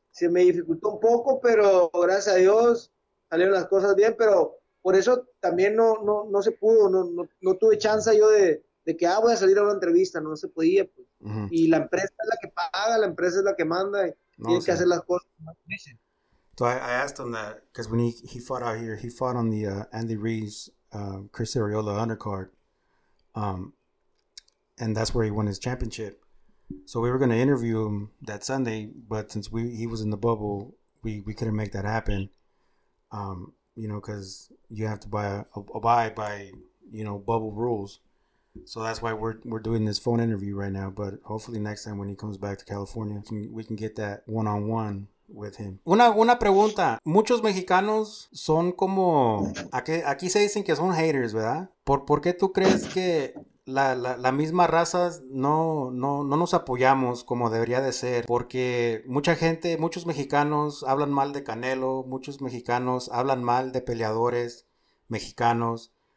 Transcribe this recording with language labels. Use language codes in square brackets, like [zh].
[es] se me dificultó un poco, pero gracias a Dios salieron las cosas bien, pero por eso también no se pudo, no tuve chance yo de que, voy a salir a una entrevista, no se podía, pues. Y la empresa es la que paga, la empresa es la que manda, y No, tienen que hacer sí. las cosas como dicen. [en] So I asked him that because when he fought out here, he fought on the Andy Ruiz Chris Arreola undercard, and that's where he won his championship. So we were going to interview him that Sunday, but since he was in the bubble, we couldn't make that happen. Because you have to abide by bubble rules. So that's why we're doing this phone interview right now, but hopefully next time when he comes back to California, we can get that one-on-one with him. [es] Una pregunta. Muchos mexicanos son como aquí se dicen que son haters, ¿verdad? ¿Por qué tú crees que la misma raza no nos apoyamos como debería de ser? Porque mucha gente, muchos mexicanos hablan mal de Canelo, muchos mexicanos hablan mal de peleadores mexicanos.